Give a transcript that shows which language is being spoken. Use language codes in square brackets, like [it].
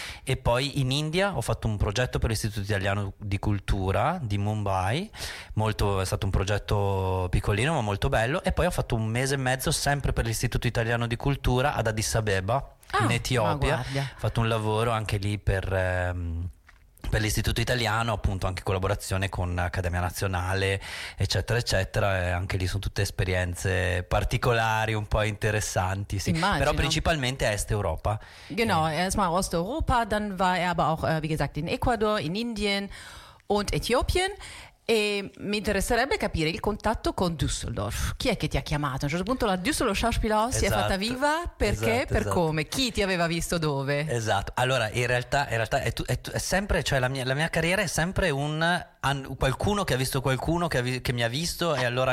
[it] e poi in India ho fatto un progetto per l'Istituto Italiano di Cultura di Mumbai, è stato un progetto piccolino ma molto bello, e poi ho fatto un mese e mezzo sempre per l'Istituto Italiano di Cultura ad Addis Abeba, in Etiopia, ho fatto un lavoro anche lì per l'Istituto Italiano, appunto anche collaborazione con Accademia Nazionale eccetera eccetera, e anche lì sono tutte esperienze particolari, un po' interessanti, sì. Immagino. Però principalmente Est Europa. [de] Genau, erstmal Ost Europa, dann war er aber auch wie gesagt in Ecuador, in Indien und Äthiopien. [it] E mi interesserebbe capire il contatto con Düsseldorf. Chi è che ti ha chiamato? A un certo punto la Düsseldorf Schauspielhaus, esatto, si è fatta viva. Perché? Esatto, per esatto. Come? Chi ti aveva visto dove? Esatto. Allora, in realtà è sempre, cioè la mia carriera è sempre un qualcuno che ha visto qualcuno che mi ha visto e allora